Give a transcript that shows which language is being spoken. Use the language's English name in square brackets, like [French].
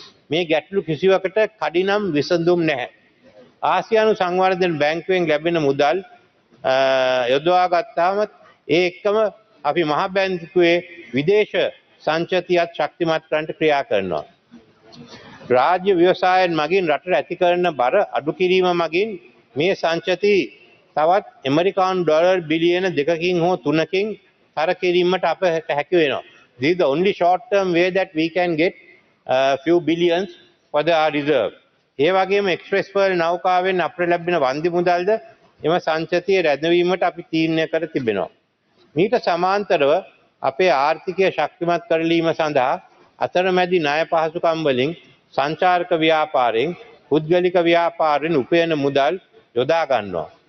[Sinhala] මේ ගැටලු කිසිවකට කඩිනම් විසඳුම් නැහැ. ආසියානු සංවර්ධන බැංකුවෙන් ලැබෙන මුදල් යොදවා ගත්තාම ඒ එක්කම අපි මහ බැංකුවේ විදේශ සංචිතියත් ශක්තිමත් කරන්න ක්‍රියා කරනවා. රාජ්‍ය ව්‍යවසායන් මගින් රටට ඇති කරන බර අඩු කිරීම මගින් මේ සංචිතය තවත් ඇමරිකානු ඩොලර් බිලියන 2කින් හෝ 3කින් තර කිරීමට අපට හැකි වෙනවා. [English] This is the only short-term way that we can get a few billions for the reserve. [Sinhala] ඒ වගේම එක්ස්ප්‍රෙස් වර්ල් නෞකාවෙන් අපට ලැබෙන වන්දි මුදල්ද එම සංචිතය රැඳවීමට අපි තීරණය කර තිබෙනවා. මීට සමාන්තරව අපේ ආර්ථිකය ශක්තිමත් කරලීම සඳහා අතරමැදි ණය පහසුකම් වලින් සංචාරක ව්‍යාපාරයෙන් පුද්ගලික ව්‍යාපාරයෙන් උපයන මුදල් යොදා ගන්නවා.